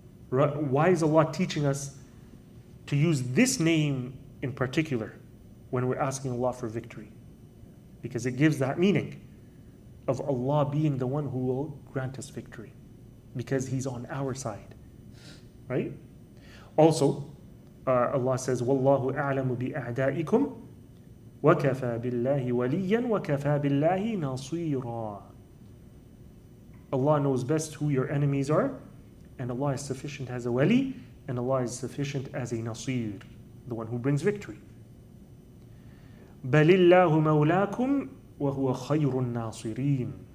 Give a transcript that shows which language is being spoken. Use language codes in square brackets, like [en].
[en] Why is Allah teaching us to use this name in particular when we're asking Allah for victory? Because it gives that meaning of Allah being the one who will grant us victory, because He's on our side, right? Also, Allah says, [ar] وَاللَّهُ أَعْلَمُ بِأَعْدَائِكُمْ وَكَفَى بِاللَّهِ وَلِيًّا وَكَفَى بِاللَّهِ نَصِيرًا. [en] Allah knows best who your enemies are, and Allah is sufficient as a wali, and Allah is sufficient as a nasir, the one who brings victory. [ar] بَلِ اللَّهُ مَوْلَاكُمْ وَهُوَ خَيْرُ النَّاصِرِينَ.